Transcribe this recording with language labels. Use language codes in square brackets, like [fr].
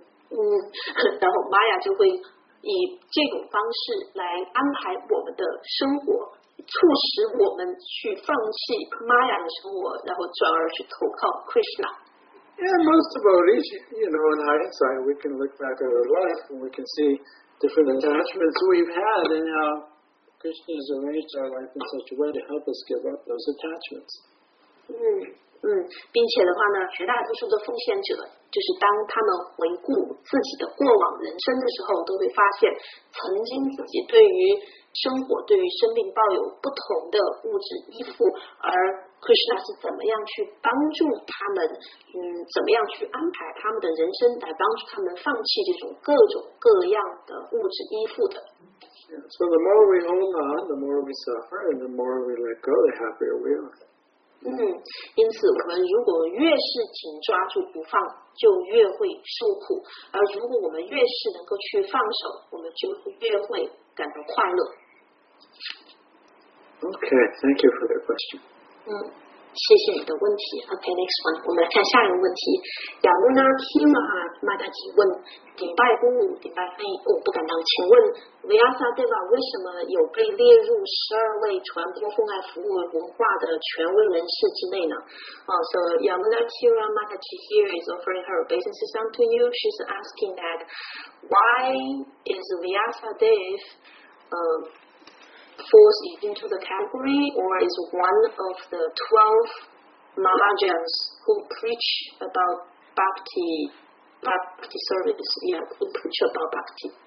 [zh] 然后 Maya 就会以这种方式来安排我们的生活，促使我们去放弃 Maya 的生活，然后转而去投靠 Krishna. [en] Yeah, most devotees, you know, in hindsight, we can look back at our life and we can see different attachments we've had and how. Krishna has arranged our life in such a way to help us give up those attachments. [zh] 并且的话呢，绝大多数的奉献者，就是当他们回顾自己的过往人生的时候，都会发现曾经自己对于生活、对于生命抱有不同的物质依附，而 Krishna 是怎么样去帮助他们，怎么样去安排他们的人生，来帮助他们放弃这种各种各样的物质依附的。 [en] So the more we hold on, the more we suffer, and the more we let go, the happier we are. [zh] 因此我们如果越是紧抓住不放，就越会受苦，而如果我们越是能够去放手，我们就越会感到快乐。 [en] OK, thank you for the question. [zh] 谢谢你的问题。 [en] OK, next one, [zh] 我们来看下一个问题。亚努纳提玛玛达吉问，顶拜公母顶拜翻译，我不敢当，请问维亚萨德瓦为什么有被列入十二位传播公爱服务文化的权威人士之内呢？ [en] So Yamuna Kira Mataji here is offering her obeisances to you. She's asking that why is Vyasa Dev falls into the category or is one of the 12 Mahajans who preach about Bhakti service, who preach about Bhakti.